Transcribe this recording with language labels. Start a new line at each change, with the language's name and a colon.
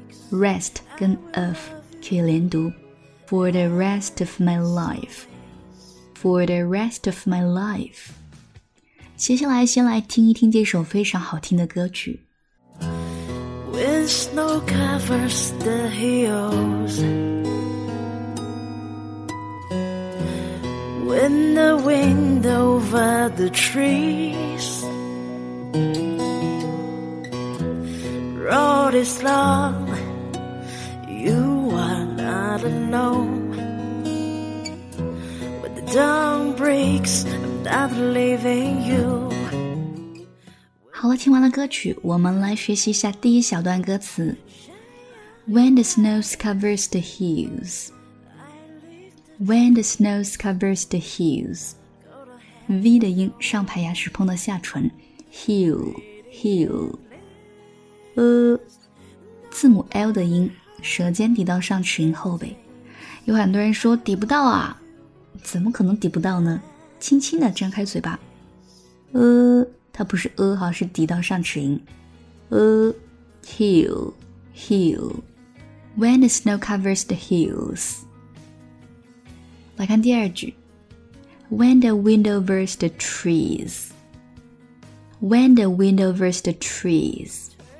English: Rest
Chinese: 跟
English: of
Chinese: 可以连读
English: For the rest of my life. For the rest of my life.
Chinese: 接下来先来听一听这首非常好听的歌曲。
English: When snow covers the hills, when the wind over the treesRoad is long, you are not alone. When the dawn breaks, I'm not leaving you.
Chinese: 好了，听完了歌曲，我们来学习一下第一小段歌词。
English: When the snow covers the hills, when the snow covers the hills,
Chinese: V 的音上排牙齿碰到下唇
English: ，hill hill。
Chinese: 字母 L 的音舌尖抵到上齿龈后背，有很多人说抵不到啊，怎么可能抵不到呢？轻轻地张开嘴巴，它不是好，是抵到上齿龈。
English: Hill hill, when the snow covers the hills.
Chinese: 来看第二句，
English: when the wind overs the trees, when the wind overs the trees.